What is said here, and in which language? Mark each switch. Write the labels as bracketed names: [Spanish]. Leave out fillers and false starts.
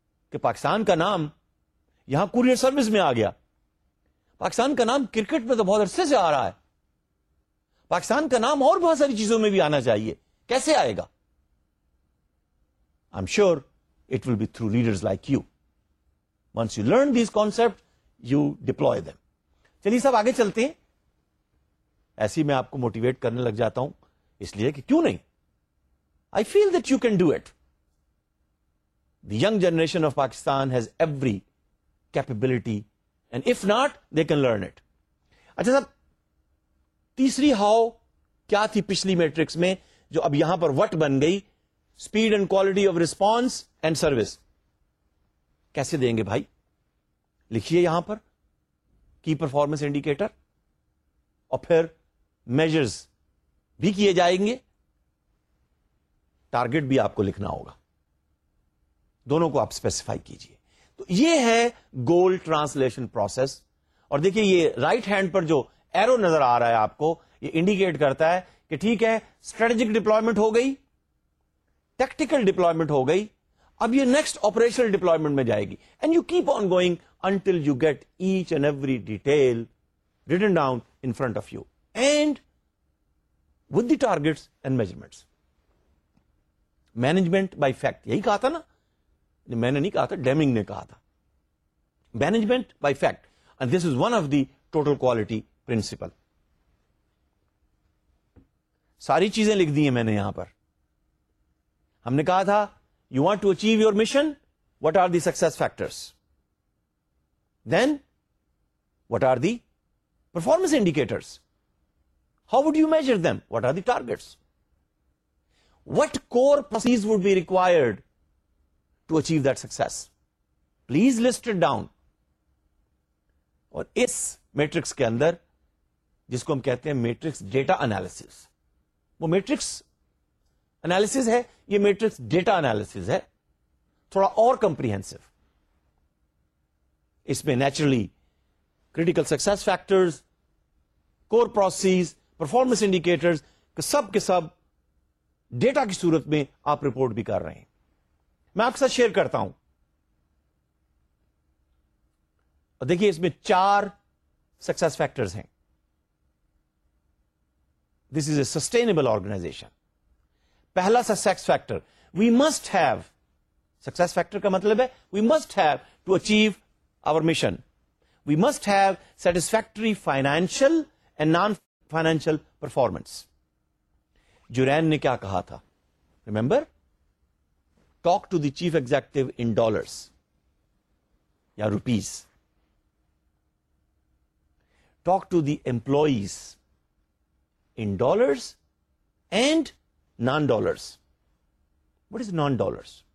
[Urdu] کہ پاکستان کا نام یہاں کوریئر سروس میں آ گیا, پاکستان کا نام کرکٹ میں تو بہت عرصے سے آ رہا ہے, پاکستان کا نام اور بہت ساری چیزوں میں بھی آنا چاہیے, کیسے آئے گا؟ [English] I'm sure it will be through leaders like you. Once you learn these concepts, you deploy them. [Urdu] چلیے سب آگے چلتے ہیں. ایسی میں آپ کو موٹیویٹ کرنے لگ جاتا ہوں اس لیے کہ کیوں نہیں, [English] I feel that you can do it. The young generation of Pakistan has every capability, and if not they can learn it. [Urdu] اچھا صاحب, تیسری ہاؤ کیا تھی پچھلی میٹرکس میں جو اب یہاں پر وٹ بن گئی, speed and quality of response and service. کیسے دیں گے بھائی؟ لکھیے یہاں پر کی پرفارمنس انڈیکیٹر, اور پھر میجرز بھی کیے جائیں گے, ٹارگٹ بھی آپ کو لکھنا ہوگا, دونوں کو آپ سپیسیفائی کیجئے. تو یہ ہے گول ٹرانسلیشن پروسیس. اور دیکھیں یہ رائٹ ہینڈ پر جو ایرو نظر آ رہا ہے آپ کو, یہ انڈیکیٹ کرتا ہے کہ ٹھیک ہے اسٹریٹجک ڈپلائمنٹ ہو گئی, ٹیکٹیکل ڈپلائمنٹ ہو گئی, اب یہ نیکسٹ آپریشنل ڈپلائمنٹ میں جائے گی, [English] And you keep on going until you get each and every detail written down in front of you and with the targets and measurements. Management by fact, [Urdu] yahi kaha tha na, maine nahi kaha tha, [English] Deming ne kaha tha, management by fact, and this is one of the total quality principle. [Urdu] Sari cheeze likh di hai maine yahan par. Humne kaha tha [English] you want to achieve your mission, what are the success factors, then what are the performance indicators, How would you measure them? What are the targets? What core processes would be required to achieve that success? Please list it down. [Urdu] اور اس matrix کے اندر جس کو ہم کہتے ہیں matrix data analysis, وہ matrix analysis ہے, یہ میٹرکس ڈیٹا انالیسز ہے, تھوڑا اور کمپریہنسو. اس میں نیچرلی کریٹیکل سکسیس فیکٹرز, کور پروسیسز, پرفارمنس انڈیکیٹرز سب کے سب ڈیٹا کی صورت میں آپ رپورٹ بھی کر رہے ہیں. میں آپ کے ساتھ شیئر کرتا ہوں. دیکھیے اس میں چار سکسیس فیکٹرز ہیں. [English] This is a sustainable organization. پہلا success factor, we must have, [Urdu] success factor کا مطلب ہے [English] We must have to achieve our mission, we must have satisfactory financial and non financial performance. [Urdu] جورین نے کیا کہا تھا, [English] Remember, talk to the chief executive in dollars یا rupees, talk to the employees in dollars and non-dollars. What is non-dollars?